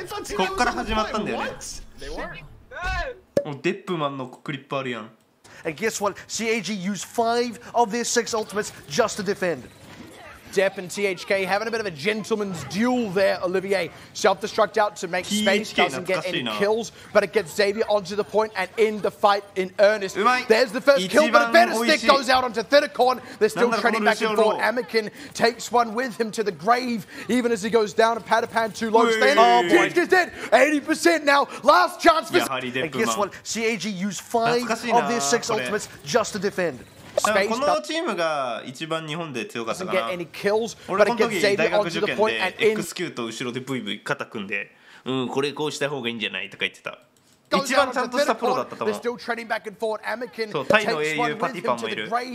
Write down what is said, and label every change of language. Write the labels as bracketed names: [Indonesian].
[Japanese] こっから始まったんだよね。もうデップマンのクリップあるやん。 [English] And guess what? CAG used five of their six ultimates just to defend. Depp and THK having a bit of a gentleman's duel there, Olivier. Self-destruct out to make space, doesn't get any kills, but it gets Xavier onto the point and end the fight in earnest. There's the first kill, but a better stick goes out onto Thinicorn. They're still trading back and forth. Amakin takes one with him to the grave, even as he goes down. A Patapan too low. THK is dead. 80% now. Last chance for... And guess what? CAG used five of their six ultimates just to defend. [Japanese] このチームが一番日本で強かったかな。俺この時大学受験で XQ と後ろでブイブイ肩組んで、うん、これこうした方がいいんじゃないとか言ってた。一番ちゃんとしたプロだったと思う。そう、タイの英雄パティパンもいる。